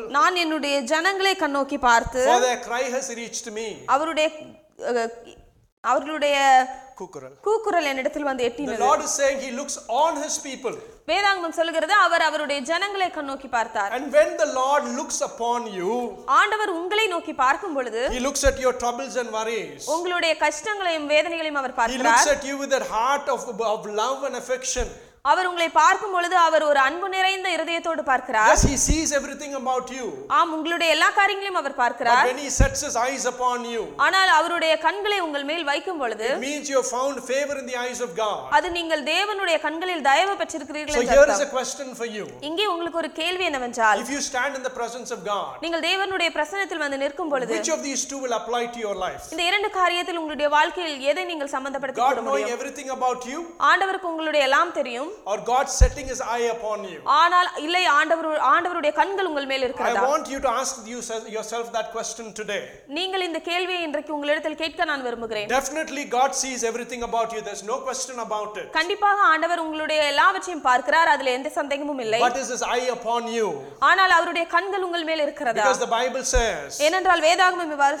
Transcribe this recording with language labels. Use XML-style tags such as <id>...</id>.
<ta>நான் என்னுடைய ஜனங்களை கண்ணோக்கி பார்த்து</ta> <en>for their cry has reached me</en> <ta>அவருடைய கூக்குரல் கூக்குரல் என்னிடத்தில் வந்து எட்டினது.</ta> <en>The Lord is saying he looks on his people.</en> <ta>வேதாகமம் சொல்கிறது அவர் அவருடைய ஜனங்களை கண்ணோக்கி பார்த்தார்.</ta> <en>And when the Lord looks upon you,</en> <ta>ஆண்டவர் உங்களை நோக்கி பார்க்கும் பொழுது,</ta> <en>he looks at your troubles and worries.</en> <ta>உங்களுடைய கஷ்டங்களையும் வேதனைகளையும் அவர் பார்க்கிறார்.</ta> <en>He looks at you with that heart of love and affection.</en> <ta>அவர் உங்களை பார்க்கும் பொழுது அவர் ஒரு அன்பு நிறைந்த இதயத்தோடு பார்க்கிறார்.</ta> <en>Yes, he sees everything about you.</en> <ta>ஆம், உங்களுடைய எல்லா காரியங்களையும் அவர் பார்க்கிறார்.</ta> <en>But when he sets his eyes upon you,</en> <ta>ஆனால் அவருடைய கண்களை உங்கள் மேல் வைக்கும் பொழுது,</ta> <en>it means you have found favor in the eyes of God.</en> <ta>அது நீங்கள் தேவனுடைய கண்களில் தயவு பெற்றிருக்கிறீர்கள் என்று அர்த்தம்.</ta> <en>So here is a question for you.</en> <ta>இங்கே உங்களுக்கு ஒரு கேள்வி என்னவென்றால்,</ta> <en>if you stand in the presence of God,</en> <ta>நீங்கள் தேவனுடைய பிரசன்னத்தில் வந்து நிற்கும் பொழுது,</ta> <en>which of these two will apply to your life?</en> <ta>இந்த இரண்டு காரியத்தில் உங்களுடைய வாழ்க்கையில் எதை நீங்கள் சம்பந்தப்படுத்திக் கொள்ள முடியும்?</ta> <en>God knows everything about you.</en> <ta>ஆண்டவருக்கு உங்களுடைய எல்லாம் தெரியும்.</ta> <en>Or God setting his eye upon you.</en> <ta>ஆனால் இல்லை, ஆண்டவருடைய கண்கள் உங்கள் மேல் இருக்கிறதா?</ta> <en>I want you to ask yourself that question today.</en> <ta>நீங்கள் இந்த கேள்வியை இன்றைக்கு உங்களிடத்தில் கேட்க நான் விரும்புகிறேன்.</ta> <en>Definitely God sees everything about you. There's no question about it.</en> <ta>கண்டிப்பாக ஆண்டவர் உங்களுடைய எல்லாவற்றையும் பார்க்கிறார். அதிலே எந்த சந்தேகமும் இல்லை.</ta> <en>What is his eye upon you?</en> <ta>ஆனால் அவருடைய கண்கள் உங்கள் மேல் இருக்கிறதா?</ta> <en>Because the Bible says.</en> <ta>ஏனென்றால் வேதாகமம் இவ்வாறு</ta>